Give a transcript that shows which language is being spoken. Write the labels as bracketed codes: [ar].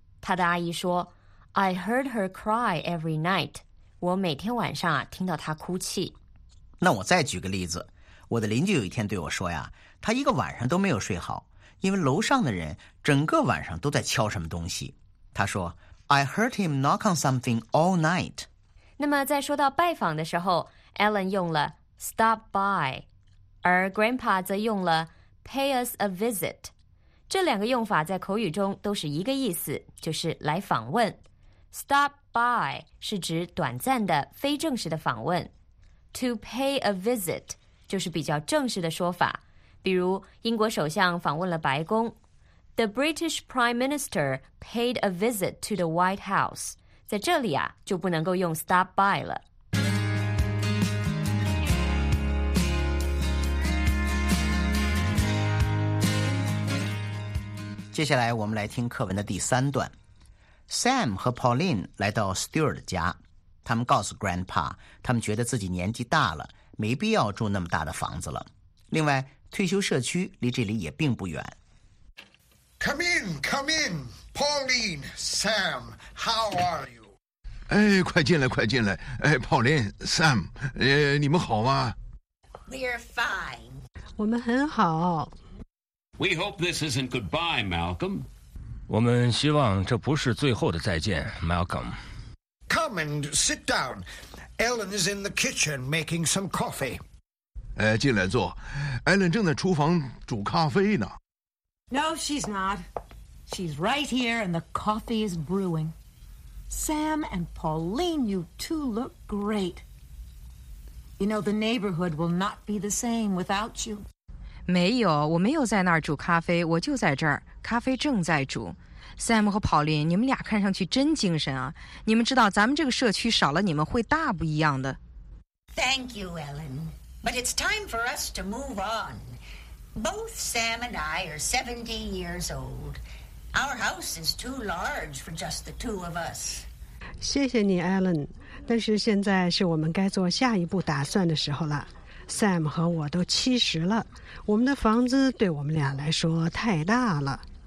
[zh] 她的阿姨说 [en] I heard her cry every night， [zh] 我每天晚上啊听到她哭泣。那我再举个例子，我的邻居有一天对我说呀，她一个晚上都没有睡好，因为楼上的人整个晚上都在敲什么东西。 [en] 他说 I heard him knock on something all night。 [zh] 那么在说到拜访的时候， Alan 用了 stop by， 而 Grandpa 则用了 [en] pay us a visit。 [zh] 这两个用法在口语中都是一个意思，就是来访问。 stop by 是指短暂的非正式的访问， to pay a visit 就是比较正式的说法。比如英国首相访问了白宫， The British Prime Minister paid a visit to the White House. 在这里啊，就不能够用 stop by 了。接下来我们来听课文的第三段。Sam 和 Pauline 来到 Stuart 家，他们告诉 Grandpa， 他们觉得自己年纪大了，没必要住那么大的房子了。另外，退休社区离这里也并不远。 [en] Come in, come in, Pauline, Sam, how are you? [zh] 哎，快进来，快进来。哎 ，Pauline, Sam, 你们好吗 [en] ？We're fine. [zh] 我们很好。 [en] We hope this isn't goodbye, Malcolm. [zh] 我们希望这不是最后的再见 ，Malcolm. [en] Come and sit down. Ellen is in the kitchen making some coffee. [zh] 哎，进来坐。 Ellen 正在厨房煮咖啡呢。 [en] No, she's not. She's right here, and the coffee is brewing. Sam and Pauline, you two look great. You know, the neighborhood will not be the same without you. [zh] 没有，我没有在那儿煮咖啡，我就在这儿，咖啡正在煮。 Sam 和 Pauline, 你们俩看上去真精神啊。你们知道咱们这个社区少了你们会大不一样的。 [en] Thank you, Ellen. But it's time for us to move on. Both Sam and I are 70 years old. Our house is too large for just the two of us. [zh] 谢谢你 ,Ellen. 但是现在是我们该做下一步打算的时候了。 Sam 和我都70了。我们的房子对我们俩来说太大了。